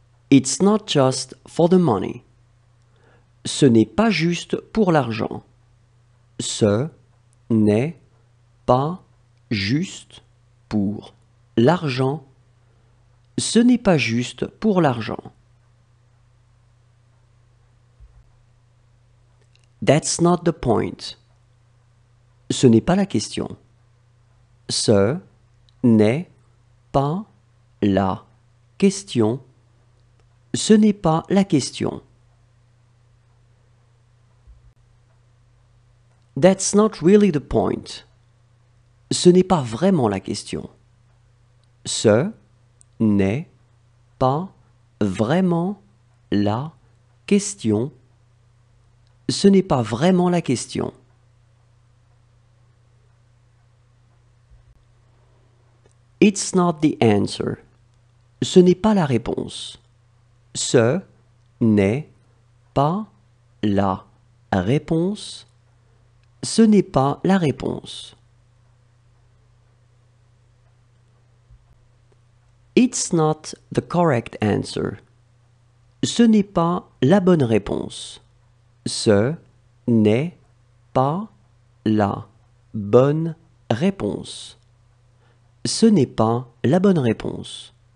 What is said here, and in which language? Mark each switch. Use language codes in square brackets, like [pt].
[en] It's not just for the money. [fr] Ce n'est pas juste pour l'argent. Ce n'est pas juste pour l'argent. Ce n'est pas juste pour l'argent. [en] That's not the point. [fr] Ce n'est pas la question. Ce n'est pas la question. Ce n'est pas la question. [en] That's not really the point. [fr] Ce n'est pas vraiment la question. Ce n'est pas vraiment la question. Ce n'est pas vraiment la question. [en] It's not the answer. [fr] Ce n'est pas la réponse. Ce n'est pas la réponse. Ce n'est pas la réponse. [en] It's not the correct answer. [fr] Ce n'est pas la bonne réponse. Ce n'est pas la bonne réponse. Ce n'est pas la bonne réponse.